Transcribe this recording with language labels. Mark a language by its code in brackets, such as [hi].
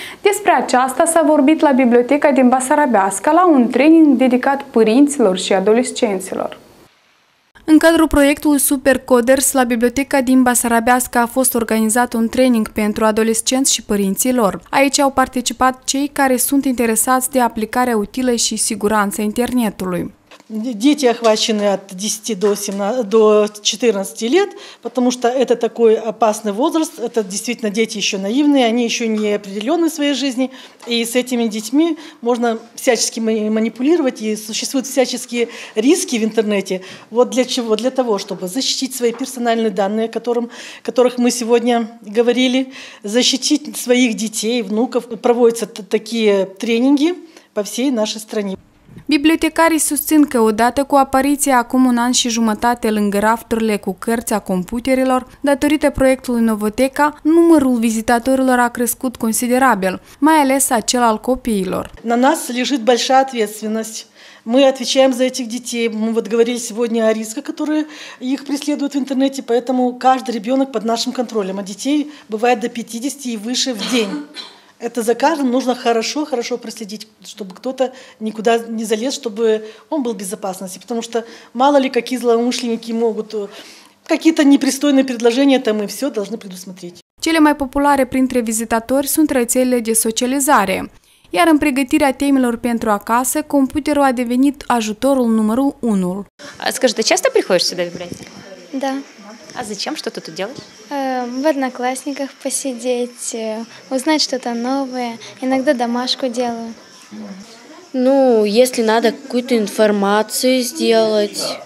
[ro] Despre aceasta s-a vorbit la Biblioteca din Basarabeasca la un training dedicat părinților și adolescenților. În cadrul proiectului Supercoders, la Biblioteca din Basarabeasca a fost organizat un training pentru adolescenți și părinții lor. Aici au participat cei care sunt interesați de aplicarea utilă și siguranță internetului. [ru] Дети охвачены от 10 до 17, до 14 лет, потому что это такой опасный возраст, это действительно дети еще наивные, они еще не определены в своей жизни, и с этими детьми можно всячески манипулировать, и существуют всяческие риски в интернете. Вот для чего? Для того, чтобы защитить свои персональные данные, которых мы сегодня говорили, защитить своих детей, внуков. Проводятся такие тренинги по всей нашей стране. [ro] Bibliotecarii susțin că odată cu apariția acum un an și jumătate lângă rafturile cu cărți a computerelor, datorită proiectului Novoteca, numărul vizitatorilor a crescut considerabil, mai ales acel al copiilor. [ru] На нас лежит большая ответственность. Мы отвечаем за этих детей. Мы вот говорили сегодня о рисках, которые их преследуют в интернете, поэтому каждый ребенок под нашим контролем. А детей бывает до 50 и выше в день. Это за каждым нужно хорошо проследить, чтобы кто-то никуда не залез, чтобы он был в безопасности. Потому что мало ли какие злоумышленники могут, какие-то непристойные предложения, там мы все должны предусмотреть. [ro] Cele mai populare printre vizitatori sunt rețelele de socializare. Iar în pregătirea temelor pentru acasă, computerul a devenit ajutorul numărul 1. [ru] Скажи, ты часто приходишь сюда в библиотеку? Да. А зачем? Что ты тут делаешь? В одноклассниках посидеть, узнать что-то новое. Иногда домашку делаю. Ну, если надо какую-то информацию сделать.